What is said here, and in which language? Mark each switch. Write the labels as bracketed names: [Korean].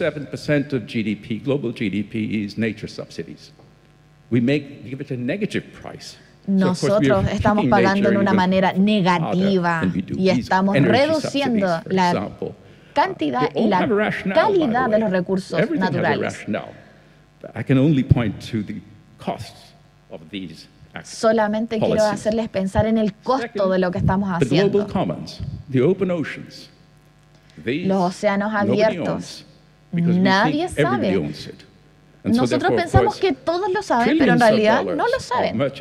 [English] 5-7% of GDP, global GDP, is nature subsidies. We make give it a negative price. [Spanish] Nosotros estamos pagando en una manera negativa y estamos reduciendo la cantidad y la calidad de los recursos naturales. [English] I can only point to the costs of these [Spanish] Solamente quiero hacerles pensar en el costo de lo que estamos haciendo. [English] The open oceans, [Spanish] los océanos abiertos, nadie sabe. Nosotros pensamos que todos lo saben, pero en realidad no lo saben.